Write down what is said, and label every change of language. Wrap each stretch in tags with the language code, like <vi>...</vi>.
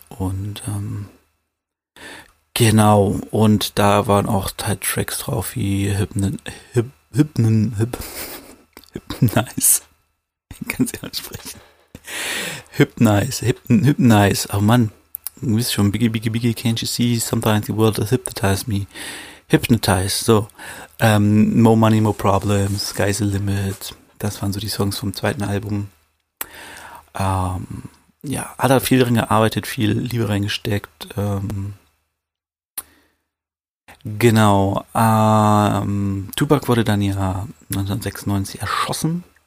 <de>Und genau, und da waren auch halt Tracks drauf wie Hypnize. Ich kann es ja ansprechen. Hypnize. Oh Mann, du wisst schon, Biggie,</de> <en>can't you see? Sometimes the world has hypnotized me. Hypnotize, so. More money, more problems. Sky's the limit.</en> <de>Das waren so die Songs vom zweiten Album. Ja, hat er viel drin gearbeitet, viel Liebe reingesteckt. Genau. Tupac wurde dann ja 1996 erschossen.</de>